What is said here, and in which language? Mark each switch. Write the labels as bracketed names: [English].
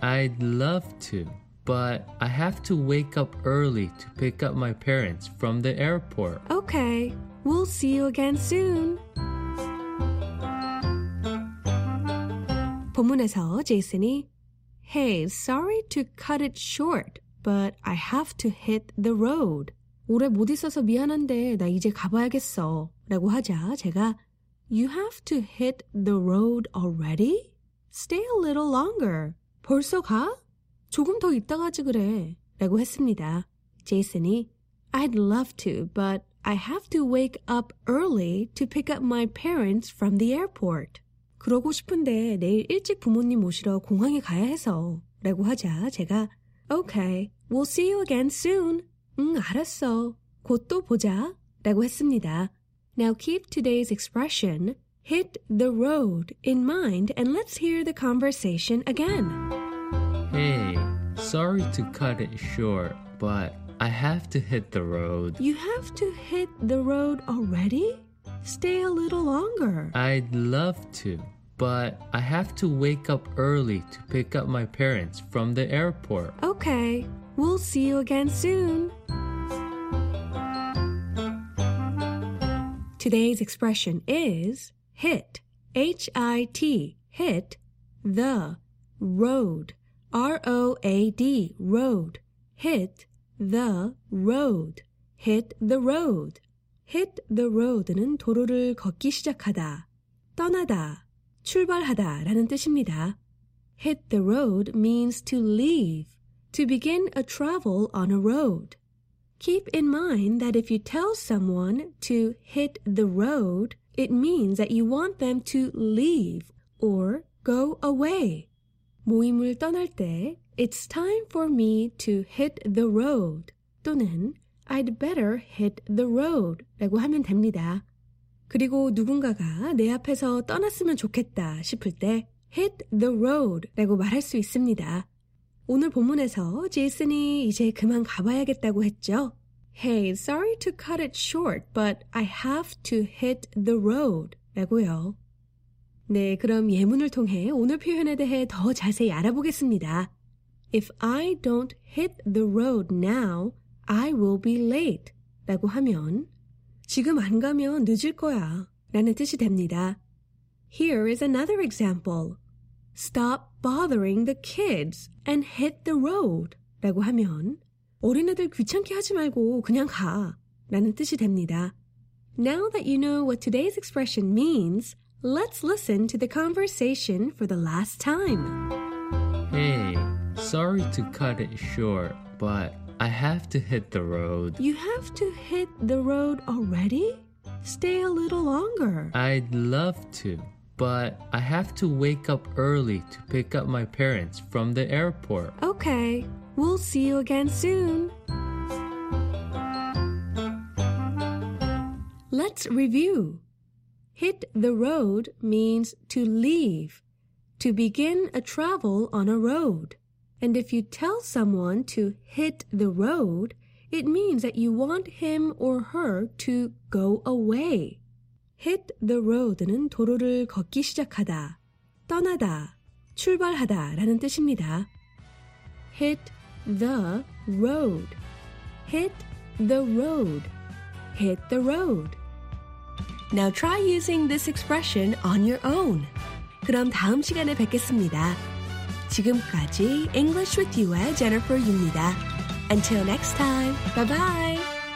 [English] I'd love to, but I have to wake up early to pick up my parents from the airport. Okay, we'll see you again soon. [Korean] 본문에서 제이슨이 [English] Hey, sorry to cut it short, but I have to hit the road. [Korean] 오래 못 있어서 미안한데 나 이제 가봐야겠어 라고 하자 제가 [English] You have to hit the road already? Stay a little longer. [Korean] 벌써 가? 조금 더 있다 가지 그래 라고 했습니다. [English] 제이슨이 I'd love to, but I have to wake up early to pick up my parents from the airport. [Korean] 그러고 싶은데 내일 일찍 부모님 모시러 공항에 가야 해서 라고 하자 제가 [English] Okay, we'll see you again soon. [Korean] 응, 알았어. 곧 또 보자 라고 했습니다. [English] Now keep today's expression, hit the road, in mind and let's hear the conversation again. Hey, sorry to cut it short, but I have to hit the road. You have to hit the road already? Stay a little longer. I'd love to. But I have to wake up early to pick up my parents from the airport. Okay, we'll see you again soon. Today's expression is hit, H-I-T, hit the road, R-O-A-D, road, hit the road, hit the road. [Korean] Hit the road는 도로를 걷기 시작하다, 떠나다. 출발하다 라는 뜻입니다. [English] Hit the road means to leave, to begin a travel on a road. Keep in mind that if you tell someone to hit the road, it means that you want them to leave or go away. [Korean] 모임을 떠날 때, [English] it's time for me to hit the road [Korean] 또는 [English] I'd better hit the road [Korean] 라고 하면 됩니다. 그리고 누군가가 내 앞에서 떠났으면 좋겠다 싶을 때 hit the road 라고 말할 수 있습니다. 오늘 본문에서 제이슨이 이제 그만 가봐야겠다고 했죠. [English] Hey, sorry to cut it short, but I have to hit the road [Korean] 라고요. 네, 그럼 예문을 통해 오늘 표현에 대해 더 자세히 알아보겠습니다. [English] If I don't hit the road now, I will be late [Korean] 라고 하면 지금 안 가면 늦을 거야 라는 뜻이 됩니다. [English] Here is another example. Stop bothering the kids and hit the road [Korean] 라고 하면 어린애들 귀찮게 하지 말고 그냥 가 라는 뜻이 됩니다. [English] Now that you know what today's expression means, let's listen to the conversation for the last time. Hey, sorry to cut it short, but I have to hit the road. You have to hit the road already? Stay a little longer. I'd love to, but I have to wake up early to pick up my parents from the airport. Okay, we'll see you again soon. Let's review. Hit the road means to leave, to begin a travel on a road. And if you tell someone to hit the road, it means that you want him or her to go away. [Korean] Hit the road는 도로를 걷기 시작하다, 떠나다, 출발하다 라는 뜻입니다. [English] Hit the road. Hit the road. Hit the road. Now try using this expression on your own. [Korean] 그럼 다음 시간에 뵙겠습니다. 지금까지 English with You의 Jennifer 유입니다. [English] Until next time, bye-bye!